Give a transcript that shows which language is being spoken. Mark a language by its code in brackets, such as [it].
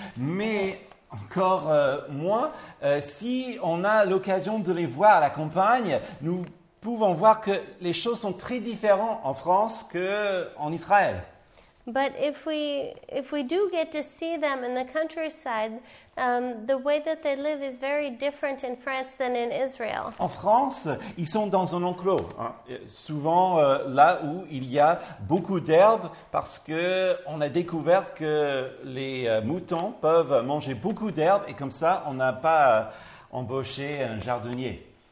[fr] Mais encore moins, si on a l'occasion de les voir à la campagne, nous pouvons voir que les choses sont très différentes en France qu'en Israël. [en] But if we do get to see them in the countryside, the way that they live is very different in France than in Israel. [fr] En France, ils sont dans un enclos, hein, souvent là où il y a beaucoup d'herbes, parce que on a découvert que les moutons peuvent manger beaucoup d'herbes, et comme ça, on n'a pas embauché un jardinier.